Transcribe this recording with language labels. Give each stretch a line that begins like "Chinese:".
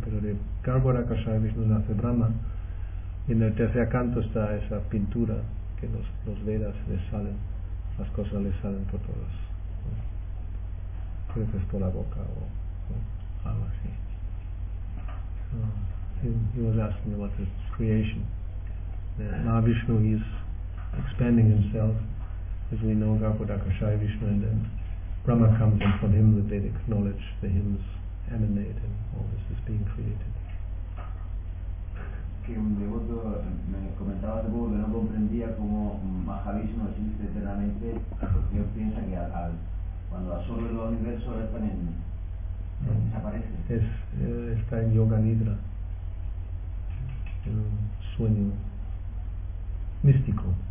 Spanish: Pero de Gargodakashai Vishnu nace Brahma. Y en el tercer canto está esa pintura que los Vedas les salen, las cosas les salen por todas. Creo que es por la boca o algo así.
English: He was asking about the creation. Mahavishnu is expanding himself, as we know, Gargodakashai Vishnu, and then Brahma comes in from him, the Vedic knowledge, the hymns emanate, and all this is being created.
Spanish: Que un devoto me comentaba de nuevo que no comprendía cómo Mahavishnu existe eternamente, porque él piensa que cuando absorbe los universos, él también desaparece. Está en Yoga Nidra, en un sueño místico.